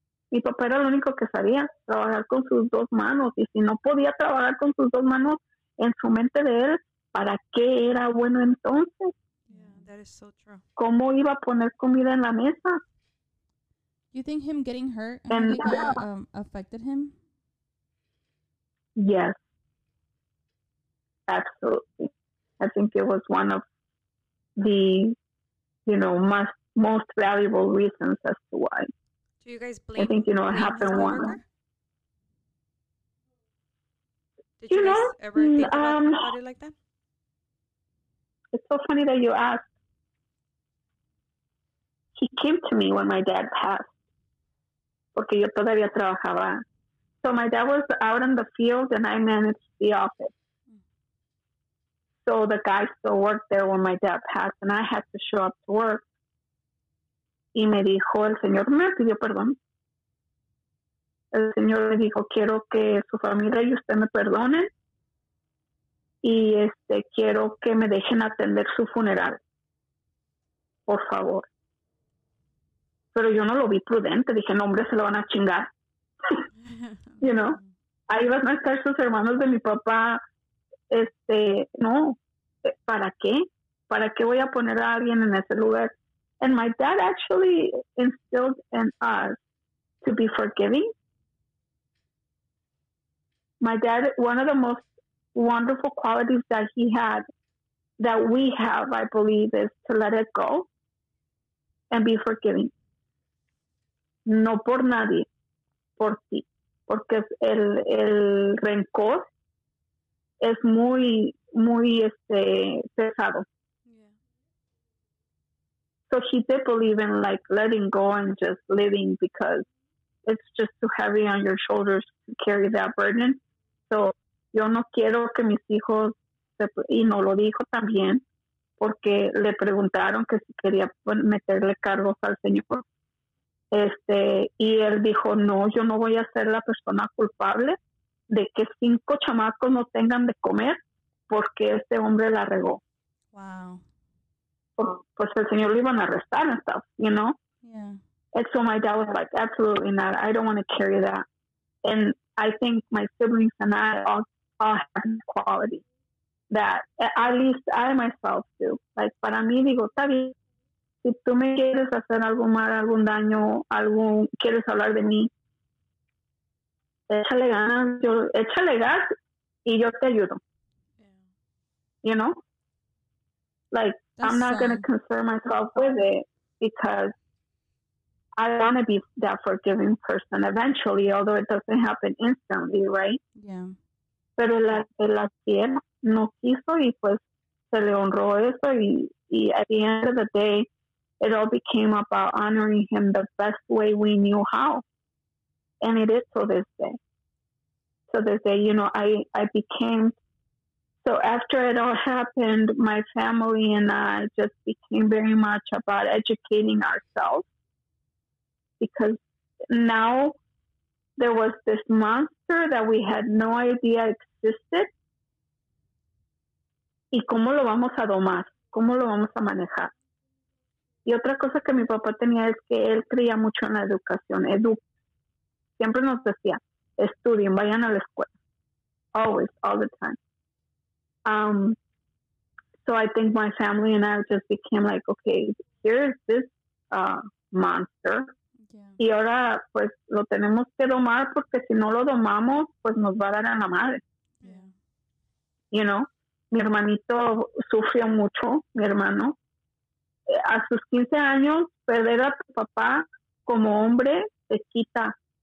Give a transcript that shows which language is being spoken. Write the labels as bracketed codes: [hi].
[es] Mi papá era el único que sabía trabajar con sus dos manos. Y si no podía trabajar con sus dos manos en su mente de él, ¿para qué era bueno entonces? [en] Yeah, That is so true. [es] ¿Cómo iba a poner comida en la mesa? [en] You think him getting hurt and affected him? Yes. Absolutely. I think it was one of the, you know, most valuable reasons as to why. Do you guys blame? I think, you know, it happened once. Did you guys ever think about it like that? It's so funny that you asked. He came to me when my dad passed. [es] Porque yo todavía trabajaba. [en] So my dad was out in the field and I managed the office. So the guy still worked there when my dad passed and I had to show up to work. [es] Y me dijo el señor, me pidió perdón. El señor me dijo, quiero que su familia y usted me perdonen. Y quiero que me dejen atender su funeral. Por favor. Pero yo no lo vi prudente. Dije, no, hombre, se lo van a chingar. [en] You know? [es] Ahí van a estar sus hermanos de mi papá. No. ¿Para qué? ¿Para qué voy a poner a alguien en ese lugar? [en] And my dad actually instilled in us to be forgiving. My dad, one of the most wonderful qualities that he had, that we have, I believe, is to let it go and be forgiving. [es] No por nadie, por ti. Porque el rencor es muy, muy pesado. [en] So he did believe in like letting go and just living because it's just too heavy on your shoulders to carry that burden. [es] So yo no quiero que mis hijos, y no lo dijo también, porque le preguntaron que si quería meterle cargos al señor. Y él dijo, no, yo no voy a ser la persona culpable de que 5 chamacos no tengan de comer porque este hombre la regó. [en] Wow. [es] Pues el señor le iban a arrestar [en] and stuff, you know? Yeah. And so my dad was like, absolutely not. I don't want to carry that. And I think my siblings and I all have quality that at least I myself do. [es] Like, para mí digo, está bien. Si tú me quieres hacer algo mal, algún daño, quieres hablar de mí, échale gas y yo te ayudo. [en] Yeah. You know? Like, I'm not going to concern myself with it because I want to be that forgiving person eventually, although it doesn't happen instantly, right? Yeah. [es] Pero el hacía, no quiso, y pues se le honró eso, y [en] at the end of the day, it all became about honoring him the best way we knew how. And it is to this day. So this day, you know, I became... So after it all happened, my family and I just became very much about educating ourselves because now there was this monster that we had no idea existed. [es] ¿Y cómo lo vamos a domar? ¿Cómo lo vamos a manejar? Y otra cosa que mi papá tenía es que él creía mucho en la educación. Siempre nos decía, estudien, vayan a la escuela. [en] Always, all the time. So I think my family and I just became like, okay, here's this monster. Yeah. [es] Y ahora, pues, lo tenemos que domar porque si no lo domamos, pues nos va a dar a la madre. [en] Yeah. You know, [es] mi hermanito sufrió mucho, mi hermano. A sus 15 años, perder a tu papá como hombre te quita.